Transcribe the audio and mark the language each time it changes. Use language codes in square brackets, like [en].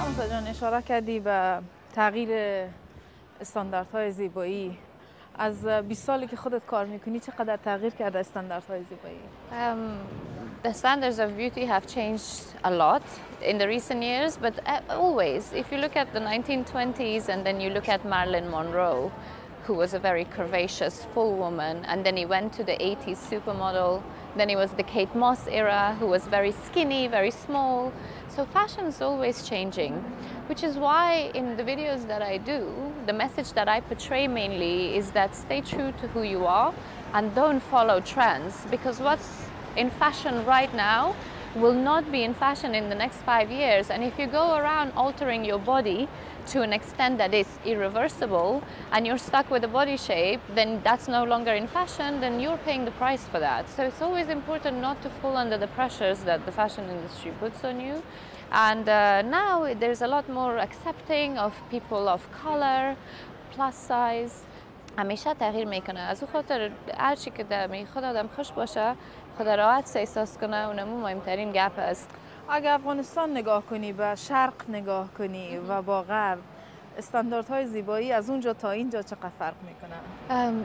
[fa] جان اشاره کردی به تغییر استانداردهای زیبایی. از 20 سالی که خودت کار میکنی چقدر تغییر کرده استانداردهای زیبایی؟ [en] The standards of beauty have changed a lot in the recent years, but always if you look at the 1920s and then you look at Marilyn Monroe, who was a very curvaceous full woman, and then he went to the 80s supermodel, then it was the Kate Moss era, who was very skinny, very small. So fashion is always changing, which is why in the videos that I do, the message that I portray mainly is that stay true to who you are and don't follow trends, because what's in fashion right now will not be in fashion in the next 5 years. And if you go around altering your body to an extent that is irreversible and you're stuck with a body shape, then that's no longer in fashion, then you're paying the price for that. So it's always important not to fall under the pressures that the fashion industry puts on you. And now there's a lot more accepting of people of color, plus size. [fa] همیشه تغییر میکنه، از او خاطر هر چی که دمی خود آدم خوش باشه، خود راحت احساس کنه، اونمو مهمترین گپ است. اگر افغانستان نگاه کنی، به شرق نگاه کنی و با غرب، استانداردهای زیبایی از اونجا تا اینجا چقدر فرق میکنه؟